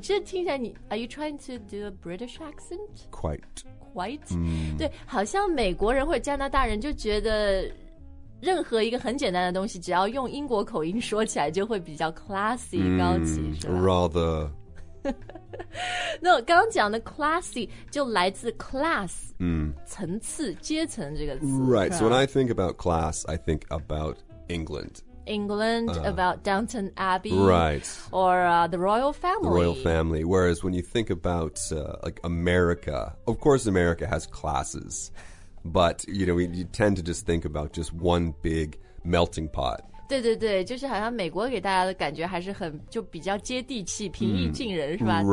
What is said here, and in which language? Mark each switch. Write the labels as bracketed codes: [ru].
[zh] 这听起来你 [en] are you trying to do a British accent? Quite.、 [zh] 对，好像美国人或者加拿大人就觉得任何一个很简单的东西只要用英国口音说起来就会比较 classy、高级是吧 [en] rather [zh] 那我刚刚讲的 classy 就来自 class、层次阶层这个词 [en] right so when I think about class I think about England、 about Downton Abbey right or、the royal family whereas when you think about、like America of course America has classesBut, you know, you tend to just think about just one big melting pot. [zh] 对对对，就是好像美国给大家的感觉还是很就比较接地气，平易近人，是吧？